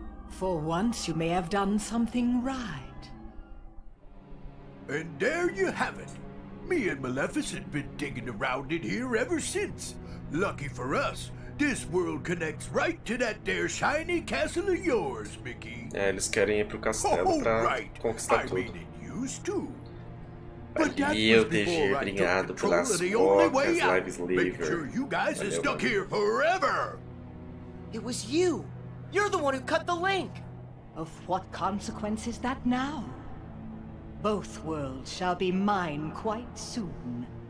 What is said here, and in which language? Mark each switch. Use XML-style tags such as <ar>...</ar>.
<en>For once, you may have done something right. And there you have it. Me and Maleficent been digging around in here ever since. Lucky for us, this world connects right to that there shiny castle of yours, Mickey.</en> <pt>É, eles querem ir pro castelo pra conquistar tudo.</pt> <en>Mean, it used to. But that was before I took control of the only way out. Make sure you guys are stuck here forever. It was you. You're the one who cut the link. Of what consequence is that now? Both worlds shall be mine quite soon.</en>